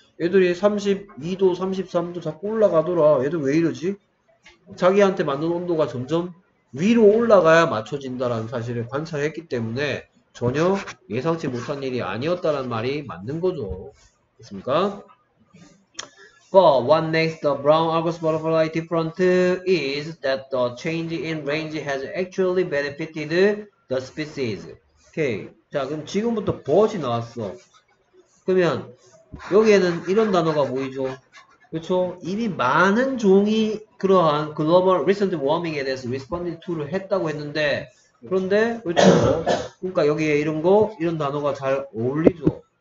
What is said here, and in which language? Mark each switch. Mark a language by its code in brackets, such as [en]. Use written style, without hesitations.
[ko] 애들이 32도, 33도 자꾸 올라가더라. 애들 왜 이러지? 자기한테 맞는 온도가 점점 위로 올라가야 맞춰진다라는 사실을 관찰했기 때문에 전혀 예상치 못한 일이 아니었다는 말이 맞는 거죠. 그렇습니까? [en] But what makes the brown argus butterfly different is that the change in range has actually benefited the species. [ko] 오케이. 자, 그럼 지금부터 but이 나왔어. 그러면 여기에는 이런 단어가 보이죠? 그렇죠? 이미 많은 종이 그러한 글로벌 리센트 워밍에 대해서 리스폰딩 투를 했다고 했는데 그런데 그렇죠? 그러니까 여기에 이런 거 이런 단어가 잘 어울리죠?